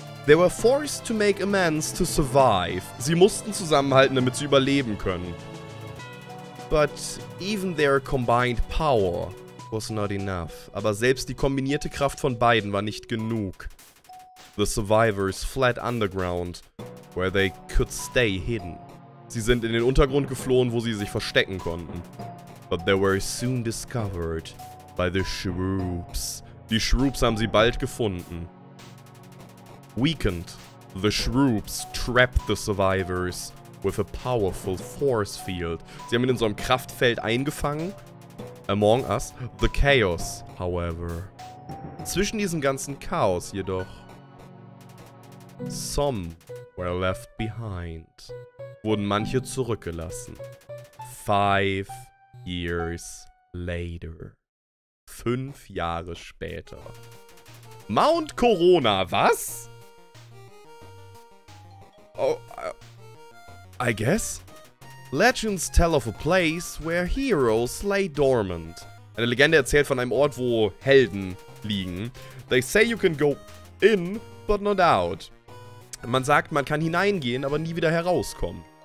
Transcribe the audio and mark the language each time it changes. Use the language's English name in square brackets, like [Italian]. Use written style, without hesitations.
[English] They were forced to make amends to survive. [German] Sie mussten zusammenhalten, damit sie überleben können. [English] But even their combined power was not enough. [German] Aber selbst die kombinierte Kraft von beiden war nicht genug. [English] The survivors fled underground, where they could stay hidden. [German] Sie sind in den Untergrund geflohen, wo sie sich verstecken konnten. [English] But they were soon discovered by the Shroops. [German] Die Shroops haben sie bald gefunden. [English] Weakened, the Shroops trapped the survivors with a powerful force field. [German] Sie haben ihn in so einem Kraftfeld eingefangen. [English] Among us, the chaos, however. [German] Zwischen diesem ganzen Chaos jedoch, [English] some were left behind. [German] Wurden manche zurückgelassen. [English] 5 years later. [German] 5 Jahre später. Mount Corona, was? [English] I guess? Legends tell of a place where heroes lay dormant. [German] Eine Legende erzählt von einem Ort, wo Helden liegen. [English] They say you can go in, but not out. [German] Man sagt, man kann hineingehen, aber nie wieder herauskommen.